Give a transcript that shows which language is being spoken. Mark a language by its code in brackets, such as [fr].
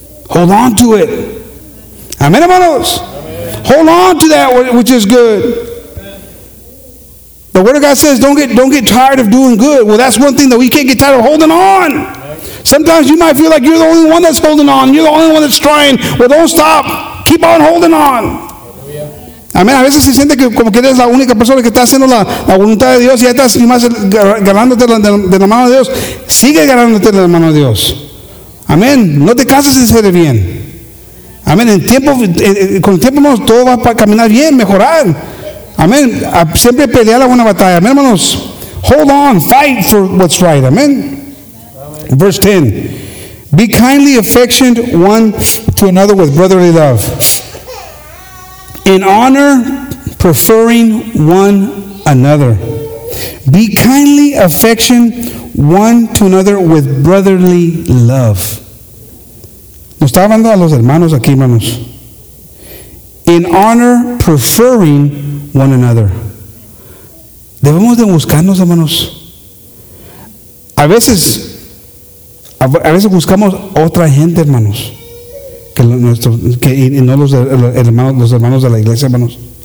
[en] Hold on to it. [es] Amén, hermanos. [en] Hold on to that which is good. The word of God says, don't get tired of doing good. Well, that's one thing that we can't get tired of holding on. Sometimes you might feel like you're the only one that's holding on. You're the only one that's trying. Well, don't stop. Keep on holding on. Amen. [es] A veces se siente que como que eres la única persona que está haciendo la voluntad de Dios y ya estás más ganándote de la mano de Dios. Sigue ganándote de la mano de Dios. Amen. No te canses de ser bien. Amen. Con el tiempo, hermanos, todo va a caminar bien, mejorar. Amen. Siempre pelear la buena batalla. Amen, hermanos. [en] Hold on. Fight for what's right. Amen. Verse 10. Be kindly affectioned one to another with brotherly love. In honor, preferring one another. Be kindly affectioned one to another with brotherly love. [es] No está hablando a los hermanos aquí, hermanos. [en] In honor, preferring one another. [es] Debemos de buscarnos, hermanos. A veces buscamos otra gente, hermanos, los hermanos de la iglesia, hermanos.